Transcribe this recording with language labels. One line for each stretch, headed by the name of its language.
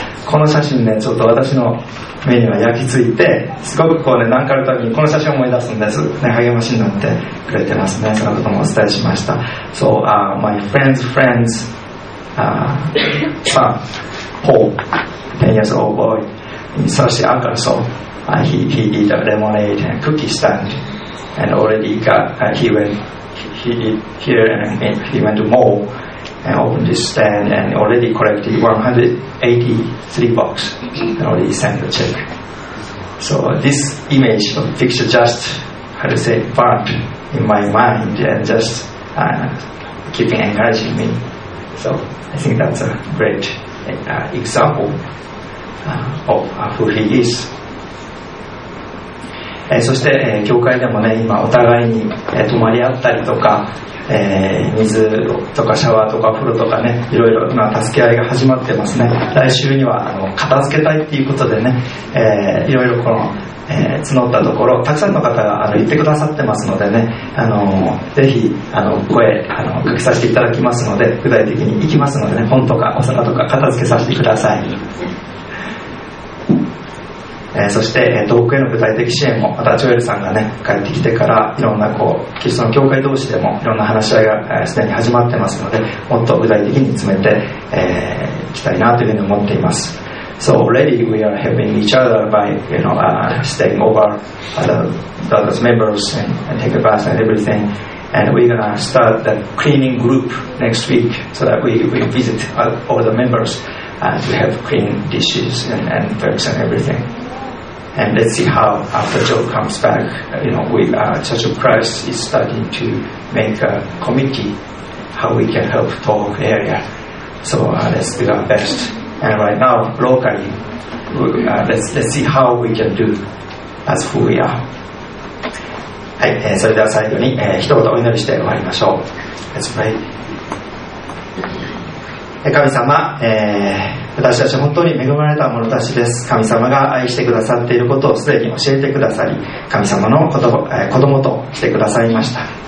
Japanese: この写真ね、ちょっと私の目には焼き付いて、すごくこうね何かあるたびにこの写真を思い出すんです、ね、励ましになってくれてますね。そのこともお伝えしました。
English: So my friend's friendsPaul, 10 years old boy in South Arkansas, he did a lemonade and cookie stand, and already got he went to mall and opened his stand and already collected 183 bucks and already sent the check. So this image of picture just, how to say, burnt in my mind and just keeping encouraging me. So I think that's a great example of who he is.
Japanese: そして、教会でもね、今お互いに、泊まり合ったりとか、水とかシャワーとか風呂とかね、いろいろな助け合いが始まってますね。来週には片付けたいっていうことでね、いろいろこの、募ったところ、たくさんの方が言ってくださってますのでね、ぜひ声かけさせていただきますので、具体的に行きますのでね、本とかお皿とか片付けさせてください。そして遠くへの具体的支援もまたジョエルさんがね帰ってきてからいろんなこうキリストの教会同士でもいろんな話し合いがすでに始まってますのでもっと具体的に詰めてい、きたいなというふうに思っています。
English: So already we are helping each other by you know, staying over the brothers members and take a bath and everything and we're gonna start the cleaning group next week so that we visit all the members to have clean dishes and drinks and everythingAnd let's see how after Joe comes back, you know, with Church of Christ is starting to make a committee, how we can help Tohoku area. So let's do our best. And right now, locally, let's see how we can do as who we are.
Japanese: はい、それでは最後に、一言お祈りして終わりましょう。
English: Let's pray.
Japanese: 神様、私たち本当に恵まれた者たちです。神様が愛してくださっていることをすでに教えてくださり、神様の子供としてくださいました。